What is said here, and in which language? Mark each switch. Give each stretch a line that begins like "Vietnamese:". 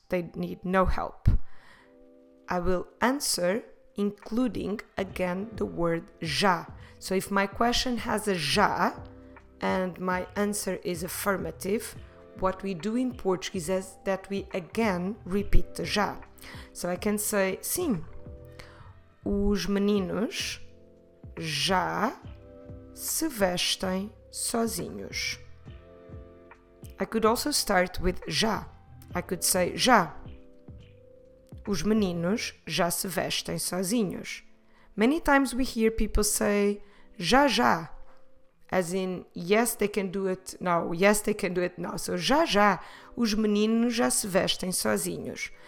English: They need no help. I will answer including, again, the word já. So if my question has a já and my answer is affirmative, what we do in Portuguese is that we again repeat the já. So I can say,
Portuguese: sim, os meninos já se vestem sozinhos.
English: I could also start with já. I could say,
Portuguese: já, os meninos já se vestem sozinhos.
English: Many times we hear people say,
Portuguese: já, já,
English: as in, yes, they can do it now, yes, they can do it now.
Portuguese: So, já, já, os meninos já se vestem sozinhos.